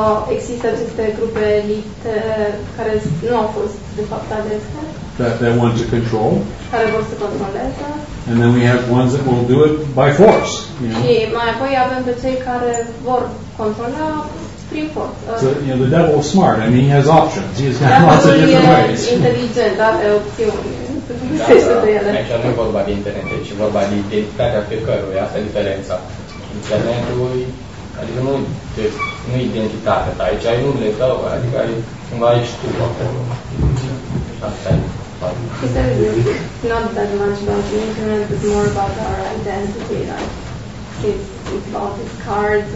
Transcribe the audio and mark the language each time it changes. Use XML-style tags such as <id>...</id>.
<ro>Există aceste grupe elite care nu au fost de fapt alese.</ro> <en>That want to control.</en> <ro>Care vor să controleze.</ro> <en>And then we have ones that will do it by force. You know?</en> <ro>Și mai apoi avem pe cei care vor controla prin forță.</ro> <en>So, you know, the devil is smart. I mean, he has options. He's got lots of different ways.</en> <ro>Inteligent, are opțiuni. Aici nu e vorba de internet, ci vorba de identitatea fiecăruia. Asta e diferența. Internetul, adică nu identitatea ta, aici ai numele tău, adică ai, cumva ești tu acolo. Asta e.</ro> <en>He said it's not that much about the internet, but more about our identity, like it's about his cards.</en>